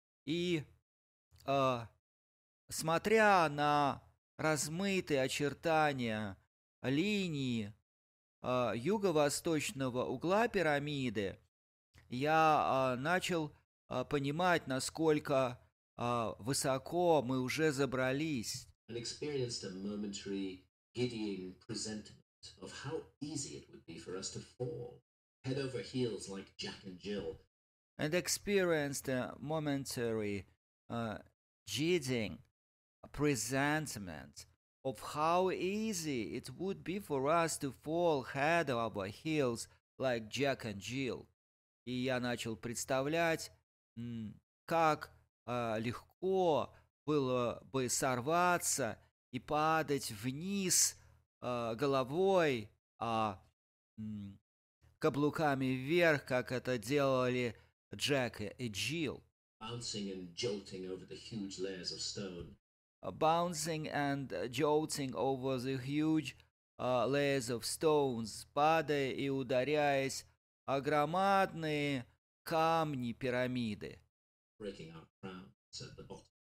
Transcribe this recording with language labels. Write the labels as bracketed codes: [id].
[ru] И смотря на размытые очертания линии юго-восточного угла пирамиды, я начал понимать, насколько высоко мы уже забрались. [en] And experienced a momentary giddying presentiment of how easy it would be for us to fall head over heels like Jack and Jill. And experienced a momentary giddying presentiment of how easy it would be for us to fall head over heels like Jack and Jill. [ru] И я начал представлять, как легко было бы сорваться и падать вниз головой, а каблуками вверх, как это делали Джек и Джилл. [en] Bouncing and jolting over the huge layers of stone. Bouncing and jolting over the huge layers of stones, [ru] падая и ударяясь о громадные камни пирамиды. [en] Breaking our crowns at the bottom.